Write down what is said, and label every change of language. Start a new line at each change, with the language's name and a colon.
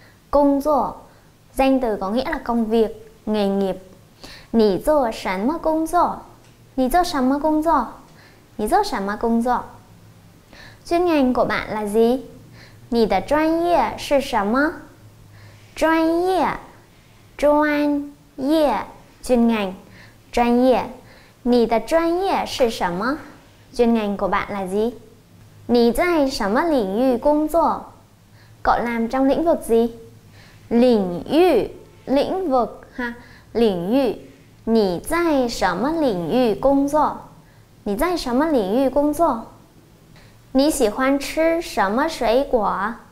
Vietnamese: 工作, danh từ có nghĩa là công việc, nghề nghiệp.
Chinese: 你做什么工作?你做什么工作? 你做什么工作?
Vietnamese: Chuyên ngành của bạn là gì?
Chinese: 你的专业是什么? 专业, 专业, chuyên ngành, 专业. 你的专业是什么?
Vietnamese: Chuyên ngành của bạn là gì?
Chinese: 你在什么领域工作?
Vietnamese: Cậu làm trong lĩnh vực gì? 领域, lĩnh vực ha, 领域.
Chinese: 你在什么领域工作? 你在什么领域工作? 你喜欢吃什么水果?